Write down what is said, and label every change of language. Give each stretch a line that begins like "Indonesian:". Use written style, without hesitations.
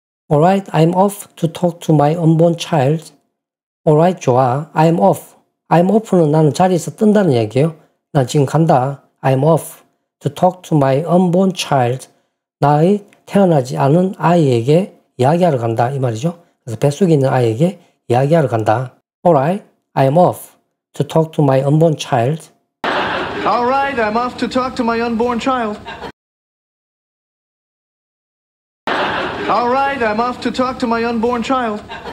English: Alright, I'm off to talk to my unborn child. Alright,
Korean: 좋아.
English: I'm off. I'm off
Korean: 는 나는 자리에서 뜬다는 얘기예요. 나 지금 간다.
English: I'm off to talk to my unborn child.
Korean: 나의 태어나지 않은 아이에게 이야기하러 간다. 이 말이죠. 그래서 뱃속에 있는 아이에게 이야기하러 간다.
English: Alright, I'm off to talk to my unborn child. Alright, I'm off to talk to my unborn child. Alright, I'm off to talk to my unborn child.